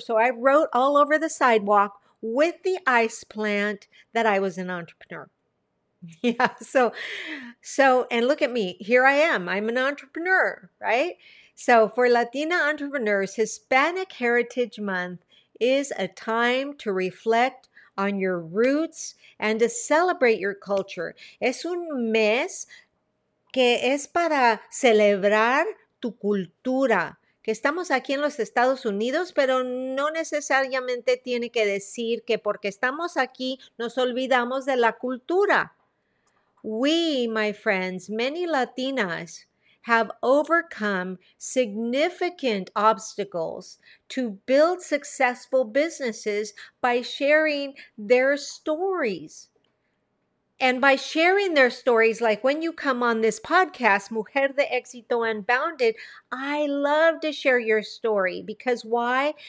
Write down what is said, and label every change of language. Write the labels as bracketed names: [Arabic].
[English] So I wrote all over the sidewalk with the ice plant that I was an entrepreneur. Yeah. So, and look at me, here I am. I'm an entrepreneur, right? So for Latina entrepreneurs, Hispanic Heritage Month is a time to reflect on your roots and to celebrate your culture. [Spanish] Es un mes que es para celebrar tu cultura. Que estamos aquí en los Estados Unidos, pero no necesariamente tiene que decir que porque estamos aquí nos olvidamos de la cultura. [English] We, my friends, many Latinas have overcome significant obstacles to build successful businesses by sharing their stories. And by sharing their stories, like when you come on this podcast, Mujer de Éxito Unbounded, I love to share your story. Because why?